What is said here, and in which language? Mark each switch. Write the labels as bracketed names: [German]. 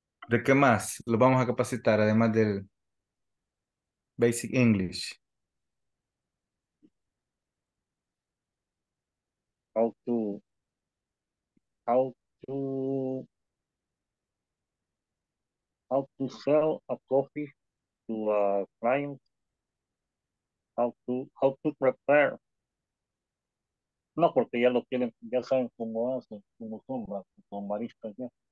[Spanish] ¿De qué más lo vamos a capacitar además del basic English? [English] How to sell a coffee to a client. How to prepare. [Spanish] No, porque ya lo tienen, ya saben cómo hacen, cómo son con baristas ya.